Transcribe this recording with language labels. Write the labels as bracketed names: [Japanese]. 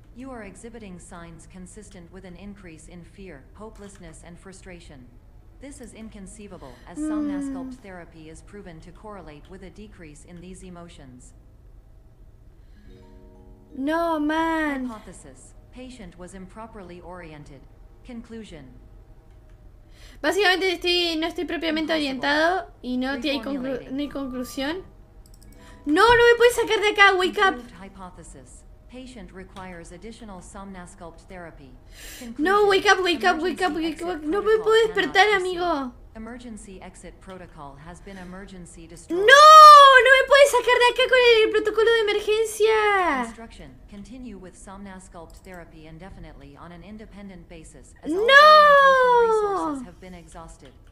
[English] You are exhibiting signs consistent with an increase in fear, hopelessness and frustration. This is inconceivable as Somnasculpt therapy is proven to correlate with a decrease in these emotions. No, man. Hypothesis. Patient was improperly oriented. Conclusion. [Spanish] Básicamente no estoy propiamente orientado y no hay conclusión. No, no me puedes sacar de acá. [English] Wake up. Hypothesis. Patient requires additional Somnasculpt therapy. No, wake up, wake up, wake up, wake up. [Spanish] No me puedo despertar, amigo. [English] Emergency exit protocol has been emergency destroyed. [Spanish] No, no me puedes sacar de acá con el protocolo de emergencia. [English] Instruction: continue with Somnasculpt therapy indefinitely on an independent basis as no. Resources have been exhausted.